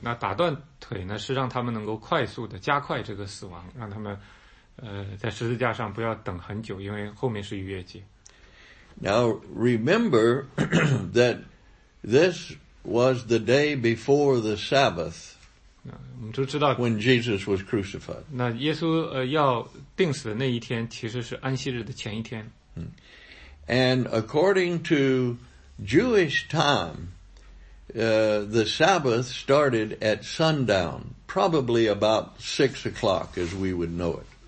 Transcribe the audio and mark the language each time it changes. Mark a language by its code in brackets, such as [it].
[zh] 那打断腿呢是让他们能够快速的加快这个死亡，让他们在十字架上不要等很久，因为后面是逾越节。 [en] Now remember that this was the day before the Sabbath. [zh] 我们都知道 [en] when Jesus was crucified. [zh] 那耶稣要钉死的那一天其实是安息日的前一天。 [en] And according to Jewish time, the Sabbath started at sundown, probably about 6 o'clock as we would know it.